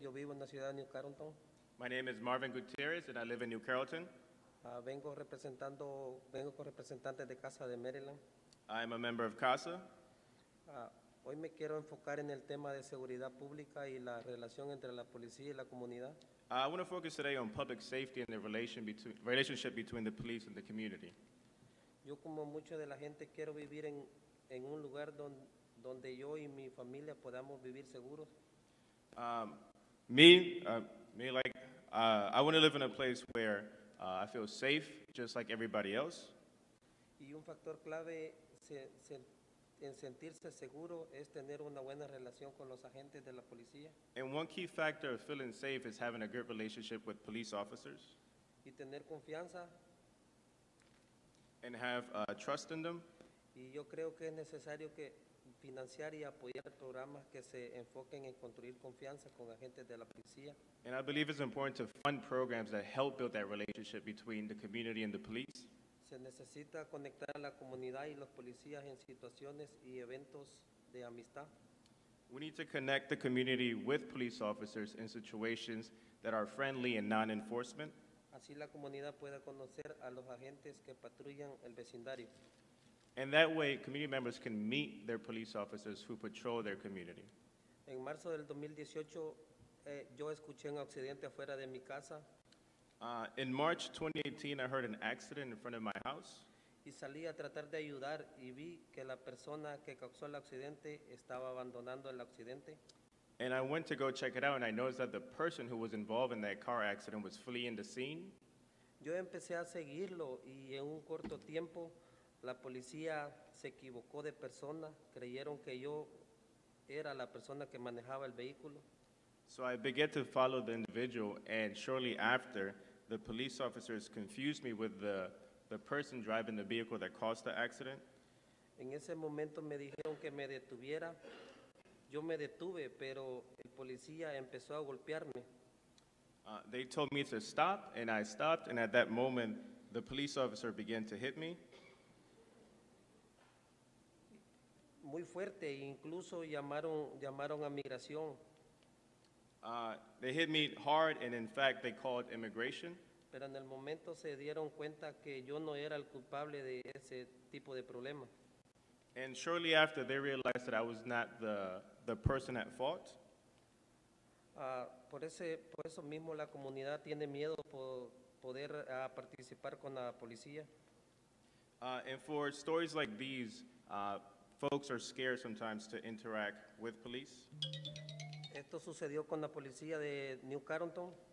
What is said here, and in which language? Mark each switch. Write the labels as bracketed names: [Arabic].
[Spanish] Yo vivo en la ciudad de New Carrollton. [English] My name is Marvin Gutierrez, and I live in New Carrollton. [Spanish] Vengo con representantes de Casa de Maryland. [English] I am a member of CASA. [Spanish] Hoy me quiero enfocar en el tema de seguridad pública y la relación entre la policía y la comunidad. [English] I want to focus today on public safety and the relationship between the police and the community. [Spanish] Yo como mucho de la gente quiero vivir en un lugar donde yo y mi familia podamos vivir seguros. [English] I want to live in a place where I feel safe, just like everybody else. [Spanish] Y un factor clave en sentirse seguro es tener una buena relación con los agentes de la policía. [English] And one key factor of feeling safe is having a good relationship with police officers. [Spanish] y tener confianza. [English] And have trust in them. [Spanish] Y yo creo que es necesario que financiar y apoyar programas que se enfoquen en construir confianza con agentes de la policía. [English] And I believe it's important to fund programs that help build that relationship between the community and the police. [Spanish] Se necesita conectar a la comunidad y los policías en situaciones y eventos de amistad. [English] We need to connect the community with police officers in situations that are friendly and non-enforcement. [Spanish] Así la comunidad puede conocer a los agentes que patrullan el vecindario. [English] And that way, community members can meet their police officers who patrol their community. [Spanish] En marzo del 2018, yo escuché un accidente afuera de mi casa. [English] In March 2018, I heard an accident in front of my house. [Spanish] Y salí a tratar de ayudar y vi que la persona que causó el accidente estaba abandonando el accidente. [English] And I went to go check it out, and I noticed that the person who was involved in that car accident was fleeing the scene. [Spanish] Yo empecé a seguirlo, y en un corto tiempo, la policía se equivocó de persona. Creyeron que yo era la persona que manejaba el vehículo. [English] So I began to follow the individual, and shortly after, the police officers confused me with the person driving the vehicle that caused the accident. [Spanish] En ese momento me dijeron que me detuviera. Yo me detuve, pero el policía empezó a golpearme. [English] They told me to stop, and I stopped, and at that moment, the police officer began to hit me. [Spanish] Muy fuerte, incluso llamaron a migración. [English] They hit me hard, and in fact, they called immigration. [Spanish] Pero en el momento se dieron cuenta que yo no era el culpable de ese tipo de problema. [English] And shortly after, they realized that I was not the person at fault. [Spanish] Por eso mismo la comunidad tiene miedo por poder participar con la policía. [English] And for stories like these, folks are scared sometimes to interact with police. [Spanish] Esto sucedió con la policía de New Carrollton.